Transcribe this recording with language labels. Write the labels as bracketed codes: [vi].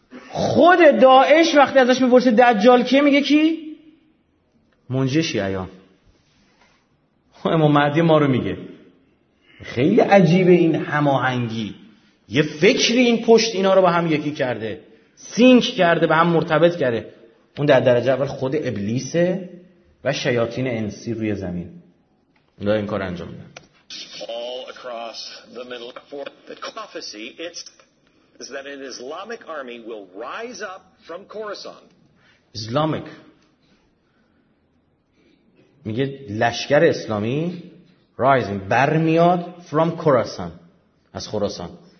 [fa] خود داعش وقتی ازش میپرسه دجال کیه، میگه کی؟ منجی شیعیان، امام مهدی ما رو میگه. خیلی عجیبه این هماهنگی، یه فکری این پشت اینا رو با هم یکی کرده، سینک کرده، با هم مرتبط کرده. اون در درجه اول خود ابلیسه و شیاطین انسی روی زمین داره این کار انجام میده. [en] All across the middle for the prophecy it's that an Islamic army will rise up from Khorasan. [fa] Islamic میگه لشکر اسلامی rising برمیاد from خراسان، از خراسان.